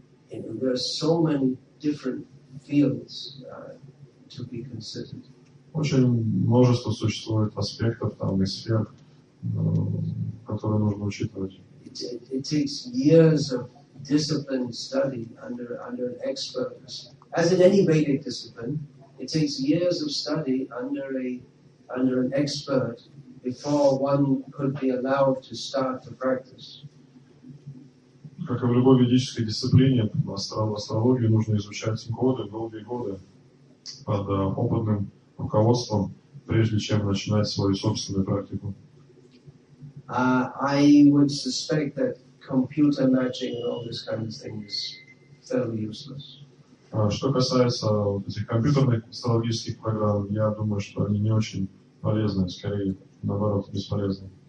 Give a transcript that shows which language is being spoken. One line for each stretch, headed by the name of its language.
English: There are so many different fields to be considered.
Russian: Очень множество существует аспектов там и сфер, которые нужно учитывать.
English: It takes years of discipline study under an expert. As in any Vedic discipline, it takes years of study under an expert before one could be allowed to start the practice.
Russian: Как и в любой ведической дисциплине, астрологии нужно изучать годы, долгие годы под опытным руководством, прежде чем начинать свою собственную практику.
English: I would suspect that computer matching and all these kind of things is fairly useless.
Russian: Что касается вот этих компьютерных астрологических программ, я думаю, что они не очень полезны, скорее, наоборот, бесполезны.